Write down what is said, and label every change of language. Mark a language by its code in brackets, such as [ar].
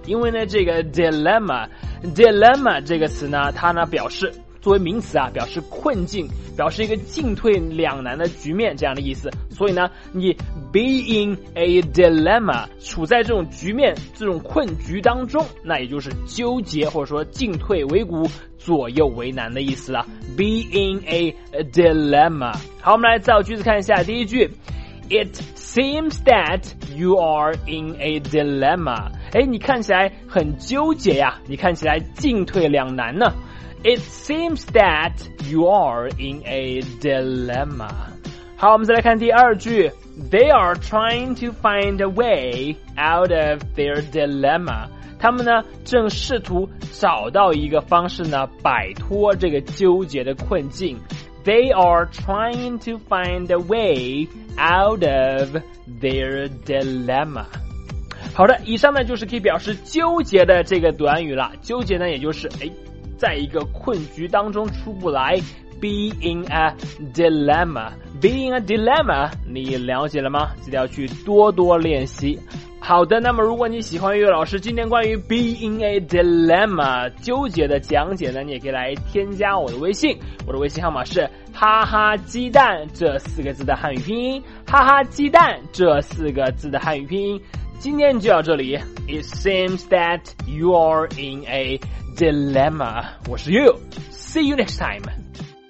[zh] 因为呢，这个 dilemma 这个词呢，它呢表示作为名词啊，表示困境，表示一个进退两难的局面这样的意思。所以呢，你 [en] be in a dilemma, [zh] 处在这种局面，这种困局当中，那也就是纠结或者说进退维谷，左右为难的意思了。 [en] be in a dilemma。 [zh] 好，我们来造句子看一下。第一句， [en] It seems that you are in a dilemma。 [zh] 诶，你看起来很纠结呀，你看起来进退两难呢。 [en] It seems that you are in a dilemma. [zh] 好，我们再来看第二句。 [en] They are trying to find a way out of their dilemma. [zh] 他们呢，正试图找到一个方式呢，摆脱这个纠结的困境。 [en] They are trying to find a way out of their dilemma. [zh] 好的，以上呢就是可以表示纠结的这个短语了。纠结呢，也就是在一个困局当中出不来， [en] be in a dilemma, be in a dilemma, [zh] 你了解了吗？记得要去多多练习。好的，那么如果你喜欢悠悠老师今天关于 [en] be in a dilemma [zh] 纠结的讲解呢，你也可以来添加我的微信，我的微信号码是哈哈鸡蛋这四个字的汉语拼音，哈哈鸡蛋这四个字的汉语拼音。今天就到这里， [en] It seems that you are in a dilemma. [zh] 我是悠悠， [en] See you next time.